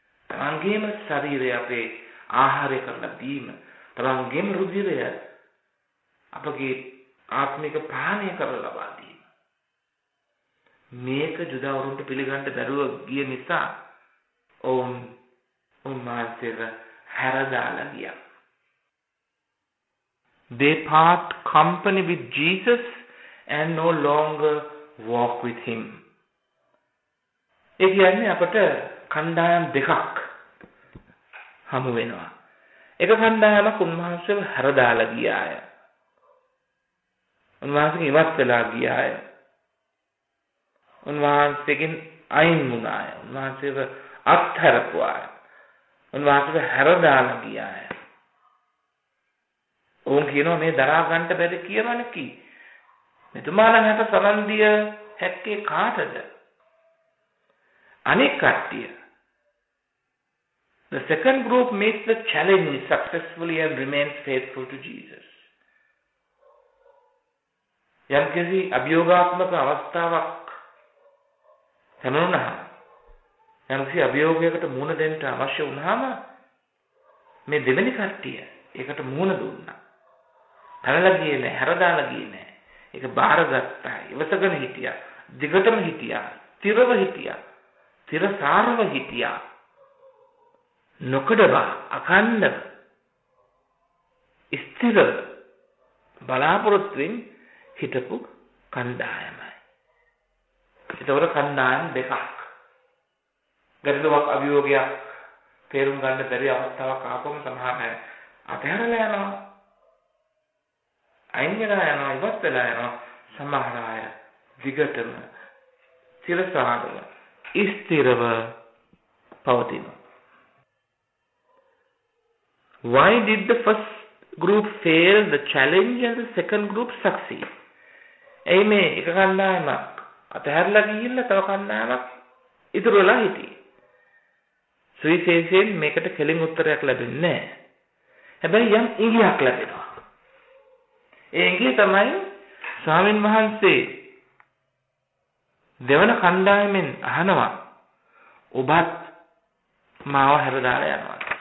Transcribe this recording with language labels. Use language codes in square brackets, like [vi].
[si] තමන්ගේම ශරීරය අපේ ආහාරය කරන බීම, තමන්ගේම රුධිරය අපගේ ආත්මික පානය කරලා ලබා දීම. මේක ජුදාවරුන්ට පිළිගන්න බැරුව ගිය නිසා ඔවුන් උන්වහන්සේව හැරදාලා ගියා. [en] They part company with Jesus and no longer walk with him. [si] ඒ කියන්නේ අපට කණ්ඩායම් දෙකක් හමු වෙනවා. එක කණ්ඩායමක් උන්වහන්සේව හැරදාලා ගියාය. උන්වහන්සේ ඉවත් වෙලා ගියාය. උන්වහන්සේගෙන් අයින් වුණාය. උන්වහන්සේව අත්හැරපුවාය. උන්වහන්සේව හැරදාලා ගියාය. ඔවුන් කියනවා මේ දරා ගන්න බැරි කියලා නේ කි. මෙතුමාණන් හට සරන් දිය හැක්කේ කාටද? අනෙක් කට්ටිය. [en] The second group makes the challenge successfully and remains faithful to Jesus. [si] යම් කිසි අභියෝගාත්මක අවස්ථාවක් තැනුණා. යම් කිසි අභියෝගයකට මුහුණ දෙන්න අවශ්‍ය වුණාම මේ දෙවෙනි කට්ටිය ඒකට මුහුණ දුන්නා. පැනලා ගියේ නැහැ, හැරදාලා ගියේ නැහැ. ඒක බාරගත්තා. ඉවසගෙන හිටියා. දිගටම හිටියා. තිරව හිටියා. තිරසාරව හිටියා. නොකඩව අකන්නව ස්ථිර බලාපොරොත්තුවෙන් හිටපු කණ්ඩායමයි. එතකොට කණ්ඩායම් දෙකක් ගැටලුවක් අභියෝගයක් තේරුම් ගන්න බැරි අවස්ථාවක් ආපම සමහර අය අතහැරලා යනවා, අයින් වෙලා යනවා, ඉවත් වෙලා යනවා. සමහර අය දිගටම සිරසාරව ස්ථිරව පවතිනවා. [en] Why did the first group fail the challenge and the second group succeed? [si] ඒ මේ එක කණ්ඩායමක් අතහැරලා ගිහිල්ලා තව කණ්ඩායමක් ඉතුරු වෙලා හිටියේ. සුවිශේෂයෙන් මේකට කෙලින් උත්තරයක් ලැබෙන්නේ නැහැ. හැබැයි යම් ඉඟියක් ලැබෙනවා. ඒ ඉඟිය තමයි ස්වාමින් වහන්සේ දෙවන කණ්ඩායමෙන් අහනවා, ඔබත් මාව හැරදාලා යනවා.